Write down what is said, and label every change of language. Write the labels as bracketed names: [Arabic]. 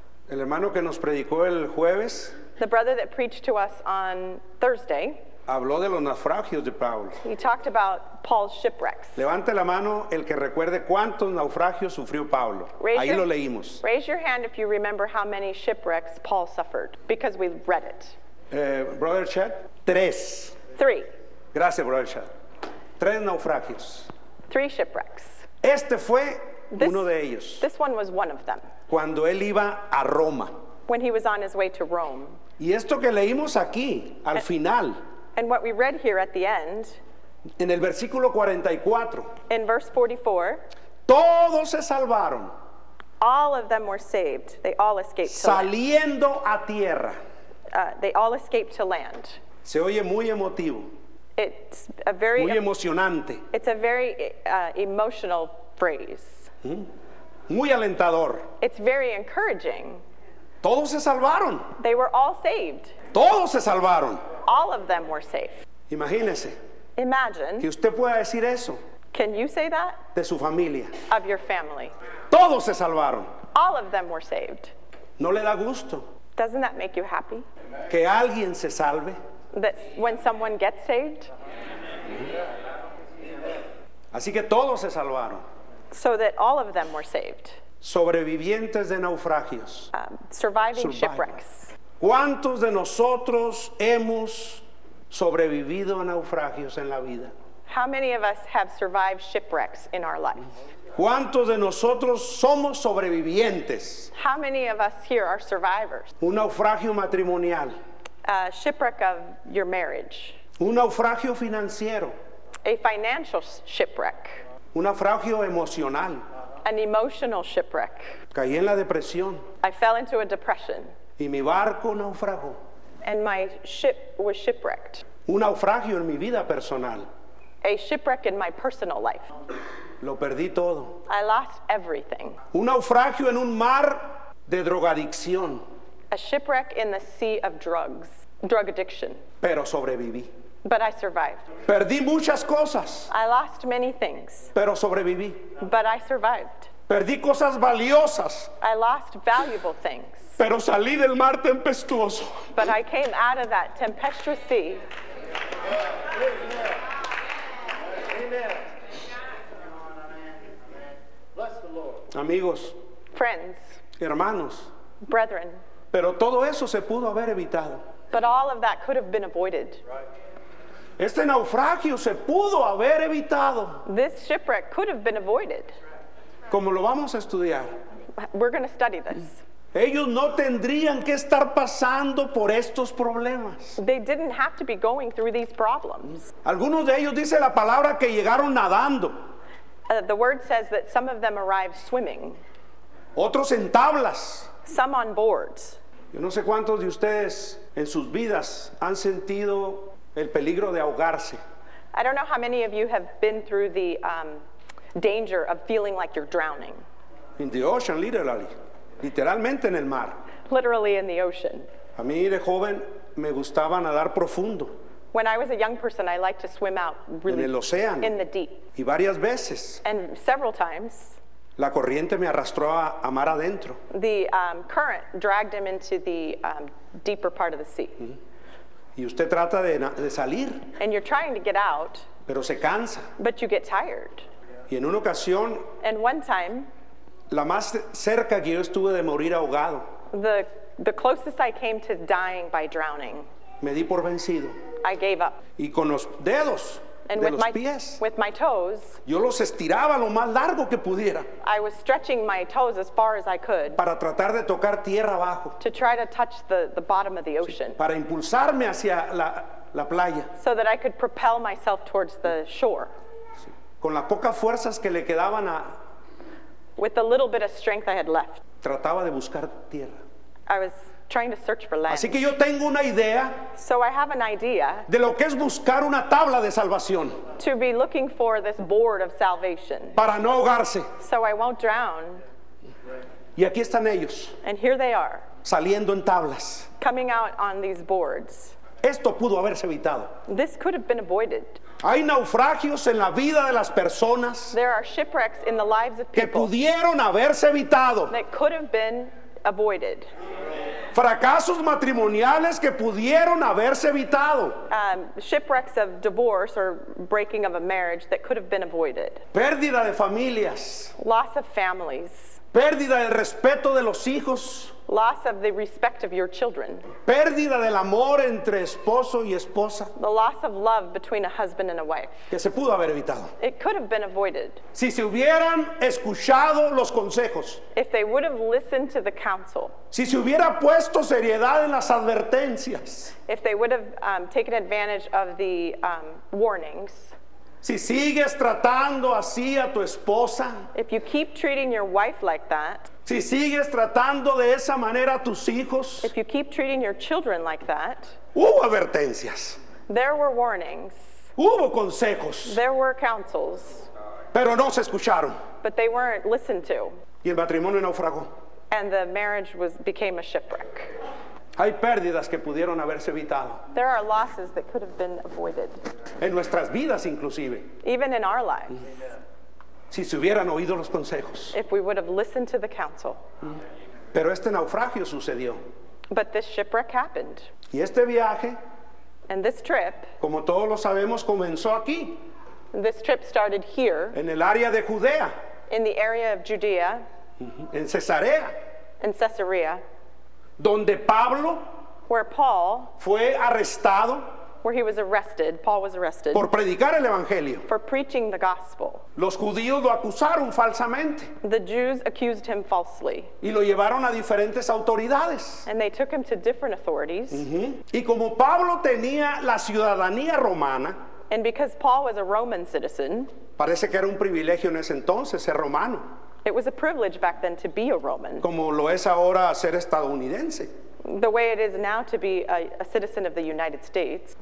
[Spanish] El hermano que nos predicó el jueves. [English] The brother that preached to us on Thursday. [Spanish] Habló de los naufragios de Pablo. [English] He talked about Paul's shipwrecks. [Spanish] Levante la mano el que recuerde cuántos naufragios sufrió Pablo. Ahí lo leímos. [English] Raise your hand if you remember how many shipwrecks Paul suffered, because we've read it. [Spanish] Brother Chad, tres. [English] Three. [Spanish] Gracias, Brother Chad. Tres naufragios. [English] Three shipwrecks. [Spanish] Este fue uno de ellos. [English] This one was one of them. [Spanish] Cuando él iba a Roma. [English] When he was on his way to Rome. [Spanish] Y esto que leímos aquí, al final. [English] And what we read here at the end. [Spanish] En el versículo 44. [English] In verse 44. [Spanish] Todos se salvaron. [English] All of them were saved. They all escaped to [Spanish] saliendo Saliendo a tierra. [English] They all escaped to land. [Spanish] Se oye muy emotivo. [English] It's a very. [Spanish] Muy emocionante. [English] It's a very emotional phrase. Mm. [Spanish] Muy alentador. [English] It's very encouraging. [Spanish] Todos se salvaron. [English] They were all saved. [Spanish] Todos se salvaron. [English] All of them were safe. [Spanish] Imagínese. [English] Imagine. [Spanish] Que usted pueda decir eso. [English] Can you say that? [Spanish] De su familia. [English] Of your family. [Spanish] Todos se salvaron. [English] All of them were saved. [Spanish] No le da gusto. [English] Doesn't that make you happy? [Spanish] Que alguien se salve. [English] That when someone gets saved. [Spanish] Así que todos se salvaron. [English] So that all of them were saved. [Spanish] Sobrevivientes de naufragios. [English] Surviving shipwrecks. [Spanish] ¿Cuántos de nosotros hemos sobrevivido a naufragios en la vida? [English] How many of us have survived shipwrecks in our life? [Spanish] ¿Cuántos de nosotros somos sobrevivientes? [English] How many of us here are survivors? [Spanish] Un naufragio matrimonial. [English] A shipwreck of your marriage. [Spanish] Un naufragio financiero. [English] A financial shipwreck. [Spanish] Un naufragio emocional. [English] An emotional shipwreck. [Spanish] Caí en la depresión. [English] I fell into a depression. [Spanish] Y mi barco naufragó. [English] And my ship was shipwrecked. [Spanish] Un naufragio en mi vida personal. [English] A shipwreck in my personal life. [Spanish] Lo perdí todo. [English] I lost everything. [Spanish] Un naufragio en un mar de drogadicción. [English] A shipwreck in the sea of drugs, drug addiction. [Spanish] Pero sobreviví. [English] But I survived. [Spanish] Perdí muchas cosas. [English] I lost many things. [Spanish] Pero sobreviví. [English] But I survived. [Spanish] Perdí cosas valiosas. [English] I lost valuable things. [Spanish] Pero salí del mar tempestuoso. [English] But I came out of that tempestuous sea. [Spanish] Amigos. [English] Friends. [Spanish] Hermanos. [English] Brethren. [Spanish] Pero todo eso se pudo haber evitado. [English] But all of that could have been avoided. [Spanish] Este naufragio se pudo haber evitado. [English] This shipwreck could have been avoided. [Spanish] Como lo vamos a estudiar. [English] We're going to study this. [Spanish] Ellos no tendrían que estar pasando por estos problemas. [English] They didn't have to be going through these problems. [Spanish] Algunos de ellos dice la palabra que llegaron nadando. [English] The word says that some of them arrived swimming. [Spanish] Otros en tablas. [English] Some on boards. [Spanish] Yo no sé cuántos de ustedes en sus vidas han sentido el peligro de ahogarse. [English] I don't know how many of you have been through the danger of feeling like you're drowning. In the ocean, literally. [Spanish] Literalmente en el mar. [English] Literally in the ocean. [Spanish] A mí de joven me gustaba nadar profundo. [English] When I was a young person, I liked to swim out really [Spanish] en el océano. [English] In the deep. [Spanish] Y varias veces. [English] And several times. [Spanish] La corriente me arrastró a mar adentro. [English] The current dragged him into the deeper part of the sea. [Spanish] Y usted trata de salir. [English] And you're trying to get out. [Spanish] Pero se cansa. [English] But you get tired. [Spanish] Y en una ocasión. [English] And one time. [Spanish] La más cerca que yo estuve de morir ahogado. [English] The closest I came to dying by drowning. [Spanish] Me di por vencido. [English] I gave up. [Spanish] Y con los dedos [English] and [Spanish] de los pies. [English] With my toes. [Spanish] Yo los estiraba lo más largo que pudiera. [English] I was stretching my toes as far as I could. [Spanish] Para tratar de tocar tierra abajo. [English] To try to touch the bottom of the ocean. [Spanish] Sí, para impulsarme hacia la playa. [English] So that I could propel myself towards the shore. [Spanish] Sí, con las pocas fuerzas que le quedaban a [English] with the little bit of strength I had left. [Spanish] Trataba de buscar tierra. [English] I was trying to search for land. [Spanish] Así que yo tengo una idea. [English] So I have an idea. [Spanish] De lo que es buscar una tabla de salvación. [English] To be looking for this board of salvation. [Spanish] Para no ahogarse. [English] So I won't drown. [Spanish] Y aquí están ellos. [English] And here they are. [Spanish] Saliendo en tablas. [English] Coming out on these boards. [Spanish] Esto pudo haberse evitado. [English] This could have been avoided. [Spanish] Hay naufragios en la vida de las personas. [English] There are shipwrecks in the lives of people. [Spanish] Que pudieron haberse evitado. [English] That could have been avoided. [Spanish] Fracasos matrimoniales que pudieron haberse evitado. [English] Shipwrecks of divorce or breaking of a marriage that could have been avoided. [Spanish] Pérdida de familias. [English] Loss of families. [Spanish] Pérdida del respeto de los hijos. [English] Loss of the respect of your children. [Spanish] Pérdida del amor entre esposo y esposa. [English] The loss of love between a husband and a wife. [Spanish] Que se pudo haber evitado. [English] It could have been avoided. [Spanish] Si se hubieran escuchado los consejos. [English] If they would have listened to the counsel. [Spanish] Si se hubiera puesto seriedad en las advertencias. [English] If they would have taken advantage of the warnings. [Spanish] Si sigues tratando así a tu esposa. [English] If you keep treating your wife like that. [Spanish] Si sigues tratando de esa manera a tus hijos. [English] If you keep treating your children like that. [Spanish] Hubo advertencias. [English] There were warnings. [Spanish] Hubo consejos. [English] There were counsels. [Spanish] Pero no se escucharon. [English] But they weren't listened to. [Spanish] Y el matrimonio naufragó. [English] And the marriage became a shipwreck. [Spanish] Hay pérdidas que pudieron haberse evitado. [English] There are losses that could have been avoided. [Spanish] En nuestras vidas inclusive. [English] Even in our lives. [Spanish] Si se hubieran oído los consejos. [English] If we would have listened to the counsel. [Spanish] Pero este naufragio sucedió. [English] But this shipwreck happened. [Spanish] Y este viaje. [English] And this trip. [Spanish] Como todos lo sabemos, comenzó aquí. [English] This trip started here. [Spanish] En el área de Judea. [English] In the area of Judea. [Spanish] En Cesarea. [English] In Caesarea. [Spanish] Donde Pablo. [English] Where Paul. [Spanish] Fue arrestado. [English] Where he was arrested. Paul was arrested. [Spanish] Por predicar el evangelio. [English] For preaching the gospel. [Spanish] Los judíos lo acusaron falsamente. [English] The Jews accused him falsely. [Spanish] Y lo llevaron a diferentes autoridades. [English] And they took him to different authorities. [Spanish] Y como Pablo tenía la ciudadanía romana. [English] And because Paul was a Roman citizen. [Spanish] Parece que era un privilegio en ese entonces ser romano. [English] It was a privilege back then to be a Roman. [Spanish] Como lo es ahora ser estadounidense. [English] The way it is now to be a citizen of the United States.